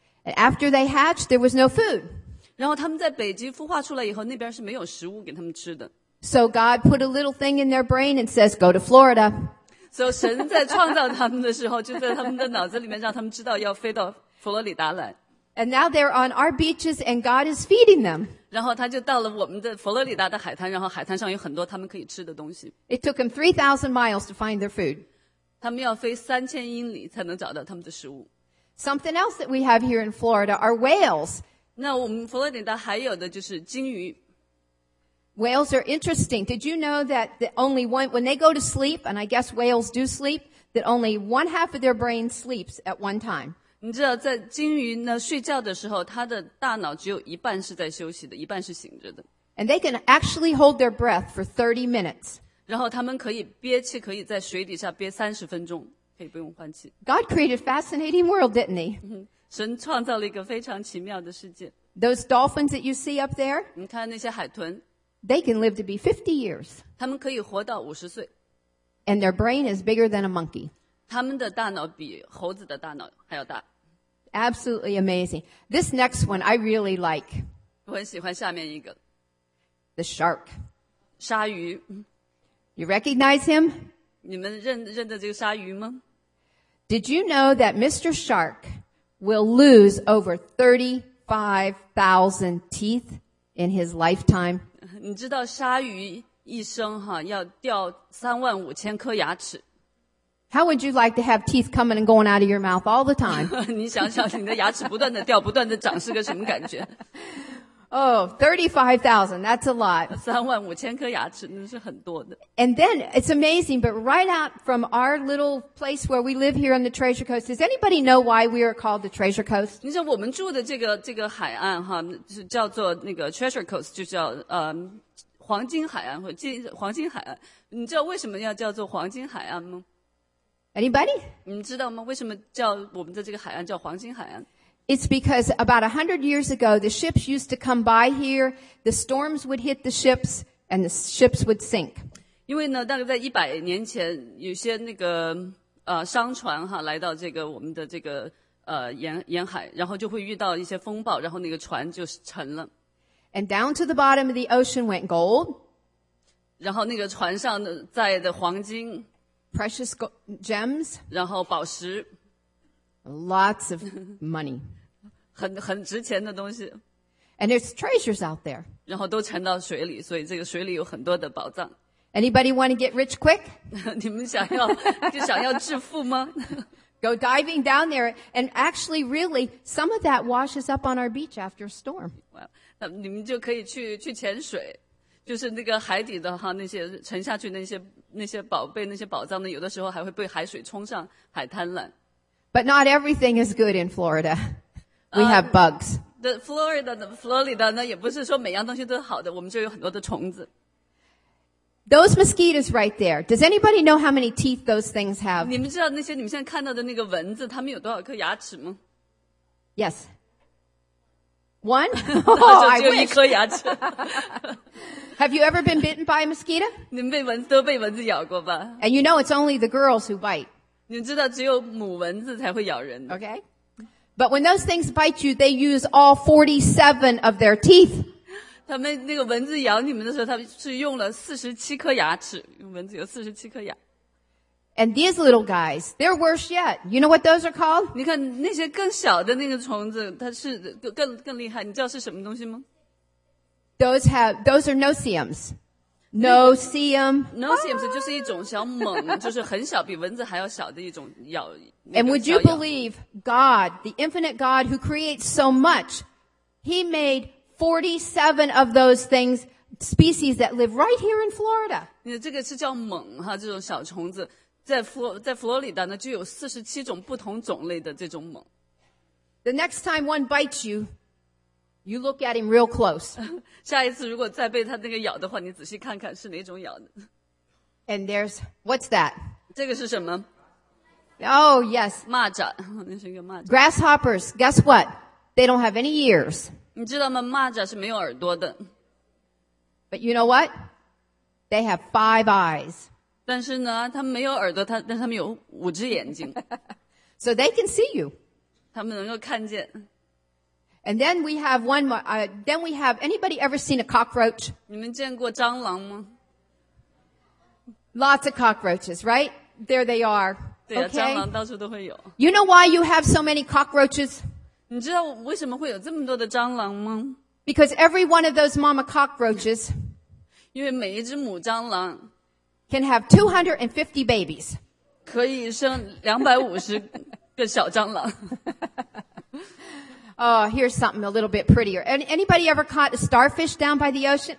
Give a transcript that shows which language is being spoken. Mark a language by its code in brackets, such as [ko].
[en] And after they hatched, there was no food. [zh] 然后他们在北极孵化出来以后，那边是没有食物给他们吃的。 [en] So God put a little thing in their brain and says, go to Florida. So [zh] 神在创造他们的时候，就在他们的脑子里面让他们知道要飞到佛罗里达来。 [en] And now they're on our beaches and God is feeding them. [zh] 然后他就到了我们的佛罗里达的海滩，然后海滩上有很多他们可以吃的东西。 [en] It took them 3,000 miles to find their food. [zh] 他们要飞3000英里才能找到他们的食物。 [en] Something else that we have here in Florida are whales. [zh] 那我们佛罗里达还有的就是鲸鱼。 [en] Whales are interesting. Did you know that the only one, when they go to sleep, and I guess whales do sleep, that only one half of their brain sleeps at one time? [zh] 你知道在鲸鱼呢睡觉的时候，它的大脑只有一半是在休息的，一半是醒着的。 [en] And they can actually hold their breath for 30 minutes. [zh] 然后他们可以憋气，可以在水底下憋30分钟。 [en] God created a fascinating world, didn't he? [zh] 神创造了一个非常奇妙的世界。 [en] Those dolphins that you see up there, [zh] 你看那些海豚， [en] they can live to be 50 years. [zh] 他们可以活到50岁。 [en] And their brain is bigger than a monkey. [zh] 他们的大脑比猴子的大脑还要大。 [en] Absolutely amazing. This next one I really like. [zh] 我很喜欢下面一个。 [en] The shark. [zh] 鲨鱼。 [en] You recognize him? [zh] 你们认得这个鲨鱼吗？ [en] Did you know that Mr. Shark will lose over 35,000 teeth in his lifetime? [zh] 你知道鲨鱼一生哈要掉35,000颗牙齿。 [en] How would you like to have teeth coming and going out of your mouth all the time? [zh] 你想想你的牙齿不断的掉不断的长是个什么感觉？ [en] Oh, 35,000, that's a lot. [zh] 35,000颗牙齿那是很多的。 [en] And then, it's amazing, but right out from our little place where we live here on the Treasure Coast, does anybody know why we are called the Treasure Coast? [zh] 你知道我们住的这个海岸哈，是叫做那个 Treasure Coast, 就叫黄金海岸或金黄金海岸。你知道为什么要叫做黄金海岸吗？ [en] Anybody? [zh] 你们知道吗？为什么叫我们的这个海岸叫黄金海岸？ [en] It's because about 100 years ago, the ships used to come by here, the storms would hit the ships, and the ships would sink. [zh] 因为呢，大概在100年前，有些那个商船哈来到这个我们的这个沿海，然后就会遇到一些风暴，然后那个船就沉了。 [en] And down to the bottom of the ocean went gold. [zh] 然后那个船上载的黄金。 [en] Precious gems. [zh] 然后宝石。 [en] Lots of money. [zh] 很值钱的东西。 [en] And there's treasures out there. [zh] 然后都沉到水里，所以这个水里有很多的宝藏。 [en] Anybody want to get rich quick? [zh] 你们想要就想要致富吗？ [en] Go diving down there, and actually, really, some of that washes up on our beach after a storm. Well, [zh] 那你们就可以去潜水，就是那个海底的哈，那些沉下去那些宝贝、那些宝藏呢，有的时候还会被海水冲上海滩来。 [en] But not everything is good in Florida. We have bugs. The [zh] Florida 呢，也不是说每样东西都是好的，我们就有很多的虫子。 [en] Those mosquitoes right there. Does anybody know how many teeth those things have? [zh] 你们知道那些你们现在看到的那个蚊子，它们有多少颗牙齿吗？ [en] Yes. One? Oh, [zh] 就只有一颗牙齿。 [en] Have you ever been bitten by a mosquito? [zh] 你们被蚊子都被蚊子咬过吧？ [en] And you know it's only the girls who bite. [zh] 你知道只有母蚊子才会咬人的。 [en] Okay. But when those things bite you, they use all 47 of their teeth. [zh] 他们那个蚊子咬你们的时候，他们是用了47颗牙齿。蚊子有47颗牙。 [en] And these little guys, they're worse yet. You know what those are called? [zh] 你看那些更小的那个虫子，它是更厉害。你知道是什么东西吗？ [en] Those are no-see-ums. No-see-um. [zh] No-see-ums 就是一种小猛，就是很小，比蚊子还要小的一种咬。 [en] And would you believe God, the infinite God who creates so much, He made 47 of those things, species that live right here in Florida. [zh] 这个是叫猛哈，这种小虫子，在佛罗里达呢，就有47种不同种类的这种猛。 [en] The next time one bites you, you look at him real close. [zh] 下一次如果再被他那个咬的话，你仔细看看是哪种咬的。 [en] And there's, what's that? [zh] 这个是什么？ [en] Oh, yes. [zh] 蚂蚱，那是一个蚂蚱。 [en] Grasshoppers, guess what? They don't have any ears. [zh] 你知道吗？蚂蚱是没有耳朵的。 [en] But you know what? They have 5 eyes. [zh] 但是呢，它们没有耳朵，但它们有五只眼睛。 [en] So they can see you. [zh] 它们能够看见。 [en] And then we have one more. Then we have, anybody ever seen a cockroach? [zh] 你们见过蟑螂吗？ [en] Lots of cockroaches, right? There they are. [zh] 对啊，蟑螂到处都会有。 [en] You know why you have so many cockroaches? [zh] 你知道为什么会有这么多的蟑螂吗？ [en] Because every one of those mama cockroaches, [zh] 因为每一只母蟑螂 [en] can have 250 babies. [zh] 可以生250个小蟑螂。 [en] Oh, here's something a little bit prettier. Anybody ever caught a starfish down by the ocean?